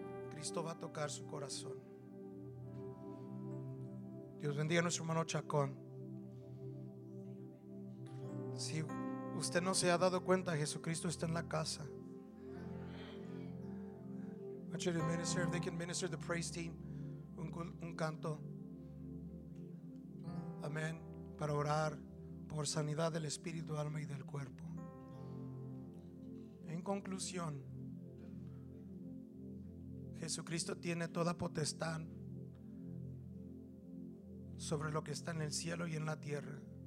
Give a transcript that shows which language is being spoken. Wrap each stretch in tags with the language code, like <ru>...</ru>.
<es>Cristo va a tocar su corazón. Dios bendiga a nuestro hermano Chacón. Si usted no se ha dado cuenta, Jesucristo está en la casa.</es> <en>I want you to minister, if they can minister the praise team, un canto.</en> <es>Amén. Para orar por sanidad del espíritu, alma y del cuerpo. En conclusión, Jesucristo tiene toda potestad sobre lo que está en el cielo y en la tierra.</es>